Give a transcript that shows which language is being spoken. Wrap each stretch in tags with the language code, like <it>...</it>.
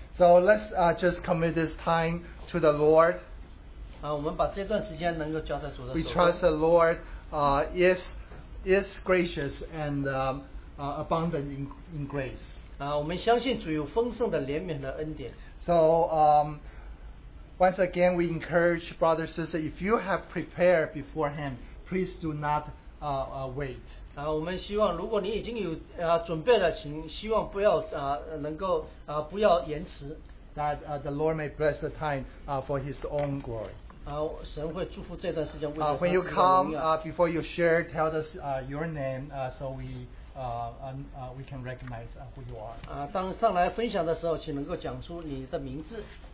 <en>So let's just commit this time to the Lord.</en> <zh>我们把这段时间能够交在主的手中。</zh> <en>We trust the Lord is gracious and abundant in grace. So once again, we encourage brothers and sisters, if you have prepared beforehand, please do not wait.</en> <zh>我们希望如果你已经有准备了，请希望不要能够不要延迟。</zh> <en>That the Lord may bless the time for His own glory.</en> <zh>神会祝福这段时间。</zh> <en>When you come, before you share, tell us your name so we can recognize who you are.</en> <zh>当上来分享的时候，请能够讲出你的名字。</zh>